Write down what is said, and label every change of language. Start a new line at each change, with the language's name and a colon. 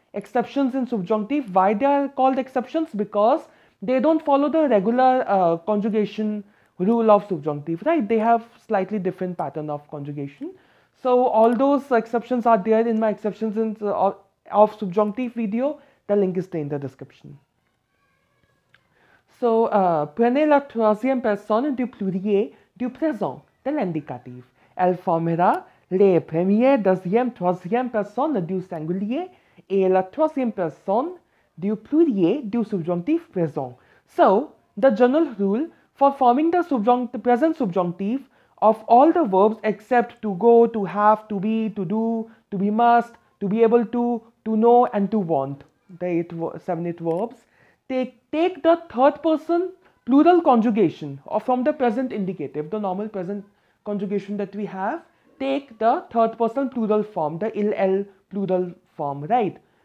English: exceptions in subjunctive. Why they are called exceptions? Because they don't follow the regular conjugation rule of subjunctive, right? They have slightly different pattern of conjugation. So all those exceptions are there in my exceptions in of subjunctive video. The link is there in the description.
French: So, prenez la troisième personne du plurier du présent de l'indicatif. Elle formera les premières, deuxième, troisième personnes du singulier et la troisième personne du plurier du subjonctif présent.
English: So, the general rule for forming the present subjunctive of all the verbs except to go, to have, to be, to do, to be must, to be able to know and to want, the seven verbs, take the third person plural conjugation or from the present indicative, the normal present conjugation that we have, take the third person plural form, the ill-el plural form, right?